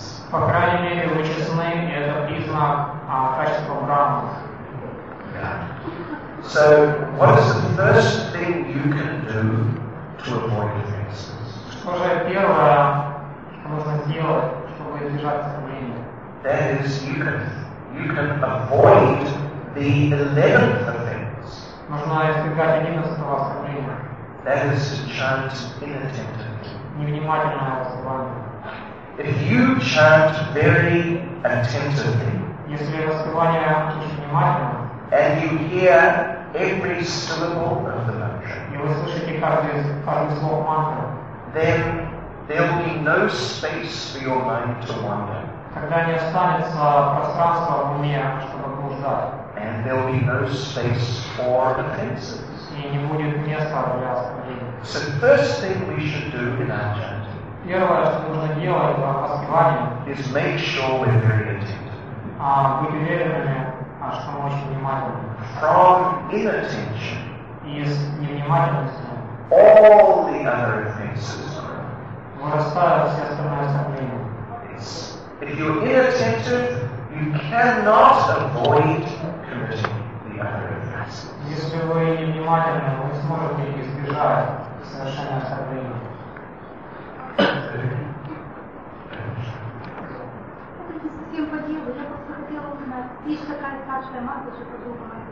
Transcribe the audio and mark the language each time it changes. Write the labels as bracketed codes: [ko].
[ru] По крайней мере, вы честны, и это признак качества брахманов. [en] So, what is the first thing you can do to avoid offenses? [ru] Что же первое, что нужно сделать, чтобы избежать оскорбления? [en] That is, you can avoid the 11th offense. [ru] Нужно избегать 11-го оскорбления. [en] That is to chant inattentively. [ru] Невнимательное воспевание. [en] If you chant very attentively, [ru] если воспевание очень внимательно, [en] and you hear every syllable of the mantra, [ru] и вы слышите каждый звук мантры, [en] then there will be no space for your mind to wander. [ru] Тогда не останется пространства в уме, чтобы блуждать. [en] And there will be no space for offenses. [ru] И не будет места для оскорблений. [en] So first thing we should do in our chanting. [ru] Первое, что нужно делать в воспевании, [en] is make sure we're very attentive. [ru] Быть уверенными, что мы очень внимательны. [en] From inattention. [ru] Из невнимательности. [en] All the other offenses. [ru] Вырастают все остальные оскорбления. [en] If you're inattentive, you cannot avoid committing the other offenses. [ru] Если вы невнимательны, вы сможете избежать совершения оскорбления. Это не совсем по делу. Я просто хотела узнать. Есть такая старшая мантра, что подумала.